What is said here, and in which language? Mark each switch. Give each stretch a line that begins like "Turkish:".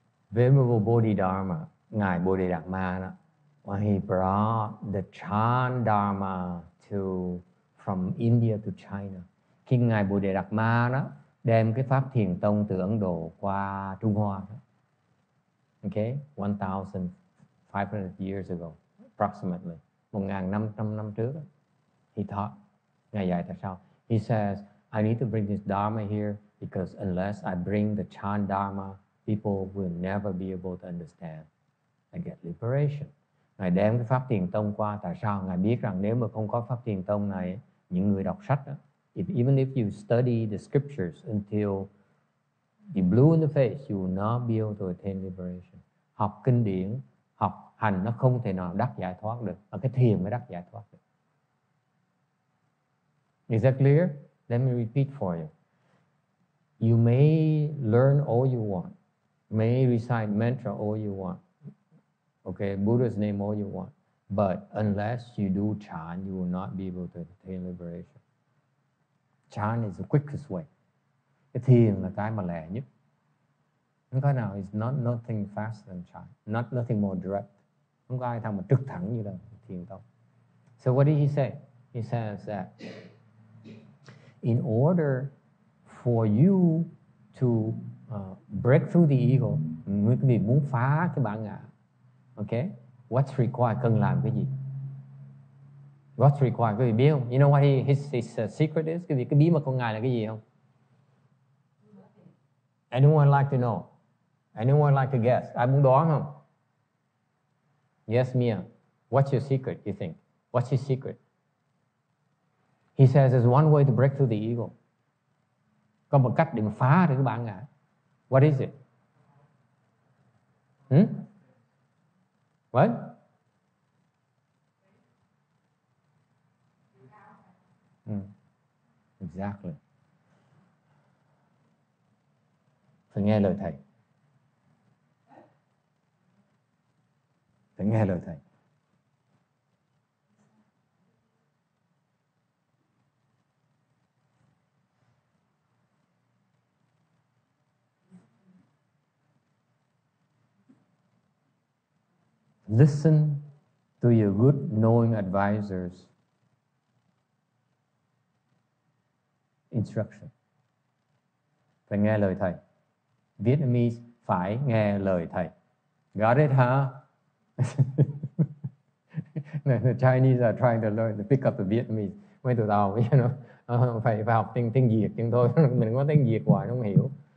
Vietnamese: Venerable Bodhi Dharma, Ngài Bodhi Dharma,
English: when he brought the Chan Dharma from India to China,
Vietnamese: khi Ngài Bồ Đề Đạt Ma đó đem cái pháp Thiền Tông từ Ấn Độ qua Trung Hoa, đó.
English: Okay, 1,500 years ago, approximately 1,500
Vietnamese: năm trước, đó.
English: He taught,
Vietnamese: Ngài dạy tại sao?
English: He says, I need to bring this Dharma here because unless I bring the Chan Dharma, people will never be able to understand and get liberation.
Vietnamese: Ngài đem cái pháp Thiền Tông qua tại sao? Ngài biết rằng nếu mà không có pháp Thiền Tông này, những người đọc sách đó,
English: even if you study the scriptures until you blue in the face,
Vietnamese: you will not be able to attain liberation. Học kinh điển, học hành nó không thể nào đắc giải thoát được, mà cái thiền mới đắc giải thoát được.
English: Is that clear? Let me repeat for you. You may learn all you want, may recite mantra all you want, okay, Buddha's name all you want, but unless you do chan, you will not be able to attain liberation. Chan is the quickest way.
Vietnamese: Cái thiền là cái mà lẹ nhất. Không có nào,
English: it's not nothing faster than chan. Not nothing more direct.
Vietnamese: Không có ai thằng mà trực thẳng như là thiền tông.
English: So what did he say? He says that in order for you to break through the ego,
Vietnamese: người quý vị muốn phá cái bản ngã,
English: okay? What's required?
Vietnamese: Cần làm cái gì?
English: What's required?
Vietnamese: Quý vị biết không?
English: You know what his secret is?
Vietnamese: Quý vị, cái bí mật của Ngài là cái gì không?
English: Anyone like to know? Anyone like to guess?
Vietnamese: Ai muốn đoán không?
English: Yes, Mia. What's your secret, you think? What's his secret? He says there's one way to break through the ego.
Vietnamese: Có một cách để mà phá được cái bản ngã.
English: What is it? What? Exactly.
Vietnamese: Phải nghe lời thầy. Phải nghe lời thầy.
English: Listen to your good knowing advisors.
Vietnamese: Instruction. Phải nghe lời thầy. Vietnamese, phải nghe lời thầy.
English: Got it, huh? The Chinese are trying to learn to pick up the Vietnamese.
Vietnamese: Mấy tụi tao, you know, phải vào học tiếng Việt chứ thôi. Mình có tiếng Việt hoài, không hiểu.